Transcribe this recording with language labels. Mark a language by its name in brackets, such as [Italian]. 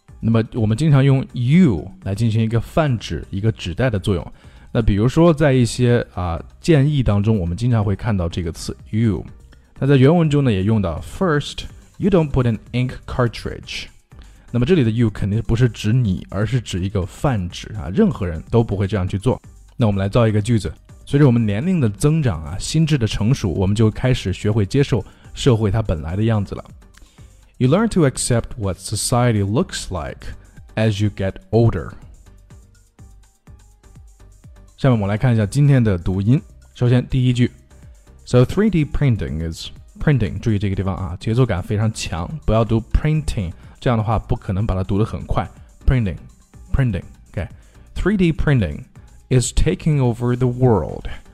[Chinese] 那么我们经常用 you 来进行一个泛指一个指代的作用，那比如说在一些建议当中我们经常会看到这个词 you， 那在原文中呢也用到 [English] first you don't put an ink cartridge， [Chinese] 那么这里的 you 肯定不是指你，而是指一个泛指啊，任何人都不会这样去做。那我们来造一个句子，随着我们年龄的增长啊，心智的成熟，我们就开始学会接受社会它本来的样子了。 [English] You learn to accept what society looks like as you get older. [Chinese] 下面我们来看一下今天的读音。首先第一句 [English] ，So 3D printing is printing. [Chinese] 注意这个地方啊，节奏感非常强，不要读 printing， 这样的话不可能把它读得很快。 [English] Printing. Okay. 3D printing is taking over the world.